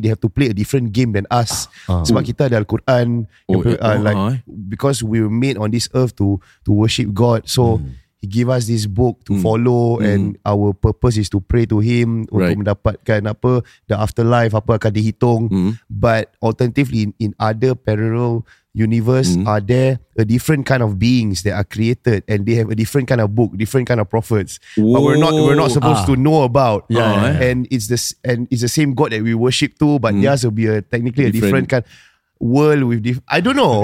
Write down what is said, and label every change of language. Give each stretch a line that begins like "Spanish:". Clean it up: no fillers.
English: They have to play a different game than us.
Malay: Sebab kita ada Al-Quran.
English: Because we were made on this earth to worship God. So, he give us this book to follow. And our purpose is to pray to him. Right.
Malay: Untuk mendapatkan apa,
English: the afterlife,
Malay: apa akan dihitung.
English: But alternatively, in other parallel universe, are there a different kind of beings that are created and they have a different kind of book, different kind of prophets, but we're not supposed to know about. And it's the same God that we worship to, but theirs will be technically a different kind of world with I don't know.